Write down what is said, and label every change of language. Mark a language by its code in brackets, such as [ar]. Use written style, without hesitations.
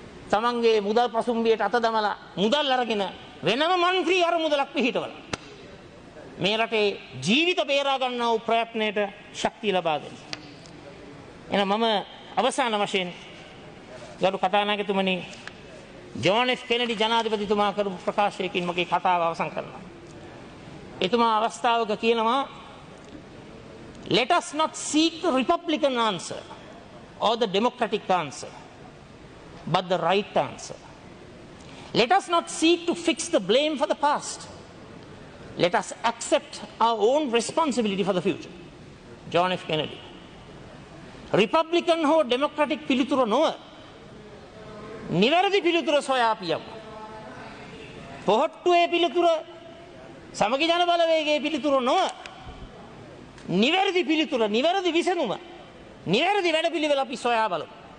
[si] තමන්ගේ මුදල් පසුම්බියට අත දමලා මුදල් අරගෙන වෙනම මන්ත්‍රී අර මුදලක් පිහිටවලා මේ රටේ ජීවිත බේරා ගන්නා වූ ප්‍රයත්නයට ශක්තිය ලබා දෙන්න. එහෙනම් මම අවසාන වශයෙන් ගරු කතානායකතුමනි, ජෝන් එෆ් කෙනඩි ජනාධිපතිතුමා කරපු ප්‍රකාශයකින් මගේ කතාව අවසන් කරනවා. එතුමා අවස්ථාවක කියනවා, [en] Let us not seek the Republican answer or the Democratic answer, but the right answer. Let us not seek to fix the blame for the past. Let us accept our own responsibility for the future. John F. Kennedy. [si] Republican හෝ Democratic පිළිතුර නොව නිවැරදි පිළිතුර සොයා පියමු. පොහොට්ටුවේ පිළිතුර, සමග ජන බලවේගයේ පිළිතුර නොව නිවැරදි පිළිතුර, නිවැරදි විසඳුම, නිවැරදි වැඩපිළිවෙල අපි සොයා බලමු.